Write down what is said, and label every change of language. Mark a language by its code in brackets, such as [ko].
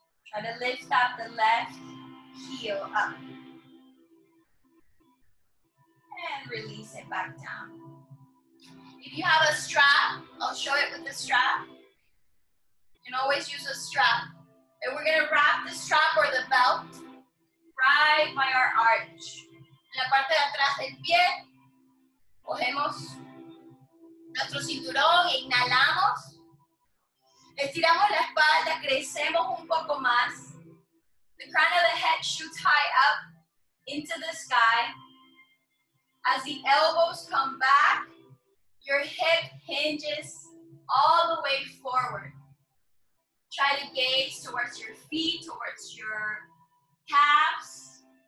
[en] Try to lift up the left heel up. And release it back down. If you have a strap, I'll show it with the strap. You can always use a strap. And we're going to wrap the strap or the belt right by our arch. [es] En la parte de atrás del pie, cogemos nuestro cinturón, inhalamos, estiramos la espalda, crecemos un poco más. [en] The crown of the head shoots high up into the sky. As the elbows come back, your hip hinges all the way forward. Try to gaze towards your feet, towards your calves.